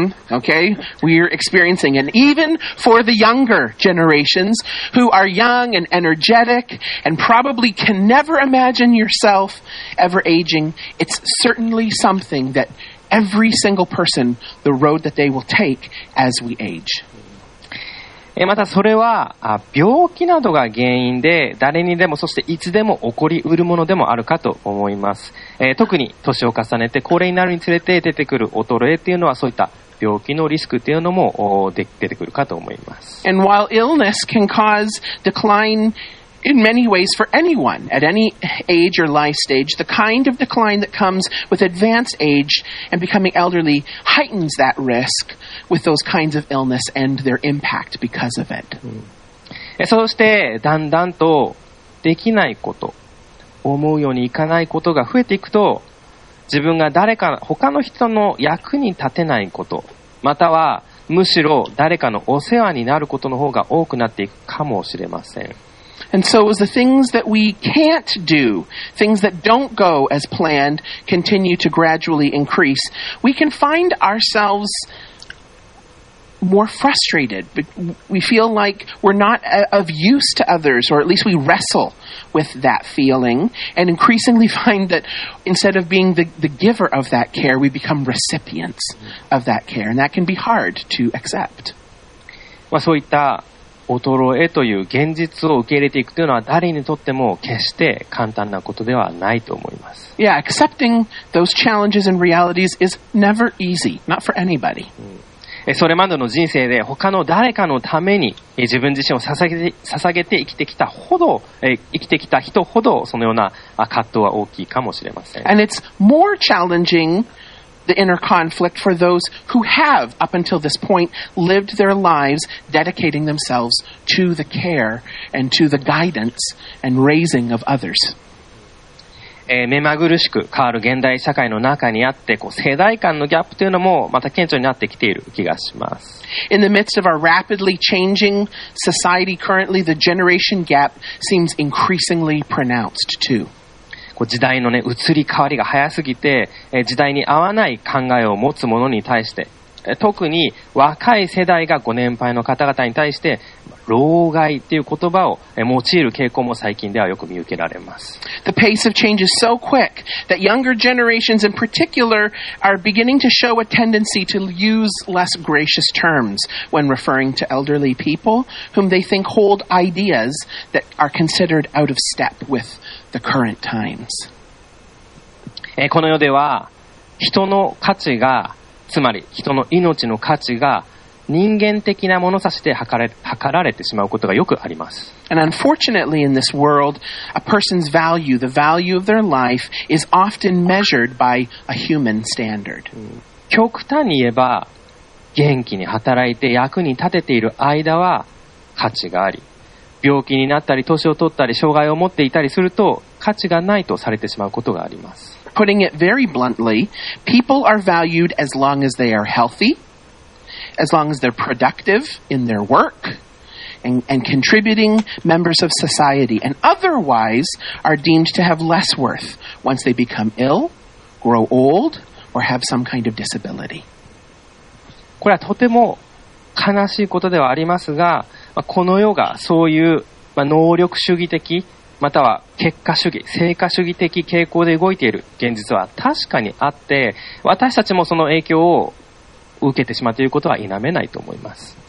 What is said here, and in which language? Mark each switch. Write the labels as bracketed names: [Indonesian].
[English] Okay? We're experiencing. And even for the younger generations who are young and energetic and probably can never imagine yourself ever aging, it's certainly something that every single person, the road that they will take as we age. [Japanese] またそれは病気などが原因で誰にでもそしていつでも起こりうるものでもあるかと思います。特に年を重ねて高齢になるにつれて出てくる衰えっていうのは、そういった病気のリスクっていうのも出てくるかと思います。 [English] And while illness can cause decline in many ways for anyone at any age or life stage, the kind of decline that comes with advanced age and becoming elderly heightens that risk with those kinds of illness and their impact because of it. [Japanese] そしてだんだんとできないこと、思うようにいかないことが増えていくと、自分が誰か他の人の役に立てないこと、またはむしろ誰かのお世話になることの方が多くなっていくかもしれません。 [English] And so as the things that we can't do, things that don't go as planned, continue to gradually increase, we can find ourselves more frustrated. We feel like we're not of use to others, or at least we wrestle with that feeling, and increasingly find that instead of being the giver of that care, we become recipients of that care. And that can be hard to accept. [Japanese] そういった衰えという現実を受け入れていくというのは、誰にとっても決して簡単なことではないと思います。 [English] Yeah, accepting those challenges and realities is never easy, not for anybody. [Japanese] それまでの人生で他の誰かのために自分自身を捧げて生きてきたほど、生きてきた人ほどそのような葛藤は大きいかもしれません。 [English] And it's more challengingthe inner conflict for those who have up until this point lived their lives dedicating themselves to the care and to the guidance and raising of others. [Japanese] 目まぐるしく変わる現代社会の中にあって、こう世代間のギャップというのもまた顕著になってきている気がします。 [English] In the midst of our rapidly changing society currently, the generation gap seems increasingly pronounced too. [Japanese] 時代の、ね、移り変わりが早すぎて、時代に合わない考えを持つ者に対して、特に若い世代がご年配の方々に対して老害っていう言葉を用いる傾向も最近ではよく見受けられます。 [English] The pace of change is so quick that younger generations in particular are beginning to show a tendency to use less gracious terms when referring to elderly people whom they think hold ideas that are considered out of step with the current times. [Japanese] この世では人の価値が、つまり人の命の価値が人間的な物差しで測られてしまうことがよくあります。 [English] And unfortunately in this world, a person's value, the value of their life, is often measured by a human standard. [Japanese] 極端に言えば、元気に働いて役に立てている間は価値があり、病気になったり年を取ったり障害を持っていたりすると価値がないとされてしまうことがあります。 [English] Putting it very bluntly, people are valued as long as they are healthy, as long as they're productive in their work, and contributing members of society, and otherwise are deemed to have less worth once they become ill, grow old, or have some kind of disability. [Japanese] これはとても悲しいことではありますが、この世がそういう能力主義的または結果主義、成果主義的傾向で動いている現実は確かにあって、私たちもその影響を受けてしまっていることは否めないと思います。